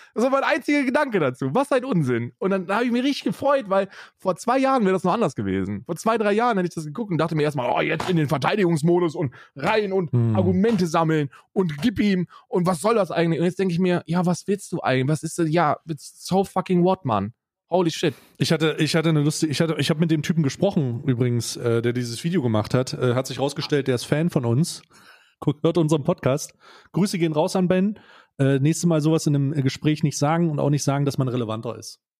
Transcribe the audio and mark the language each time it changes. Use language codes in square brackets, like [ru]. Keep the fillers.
[de] Das war mein einziger Gedanke dazu. Was ein Unsinn. Und dann habe ich mich richtig gefreut, weil vor zwei Jahren wäre das noch anders gewesen. Vor zwei, drei Jahren hätte ich das geguckt und dachte mir erstmal, oh, jetzt in den Verteidigungsmodus und rein und Hm. Argumente sammeln und gib ihm und was soll das eigentlich? Und jetzt denke ich mir, ja, was willst du eigentlich? Was ist das? [en] Ja, it's so fucking what, man. Holy shit. [de] Ich hatte, ich hatte eine lustige, ich hatte, ich habe mit dem Typen gesprochen übrigens, äh, der dieses Video gemacht hat. Äh, hat sich rausgestellt, der ist Fan von uns. Guck, hört unseren Podcast. Grüße gehen raus an Ben. Äh, nächstes Mal sowas in einem äh, Gespräch nicht sagen und auch nicht sagen, dass man relevanter ist.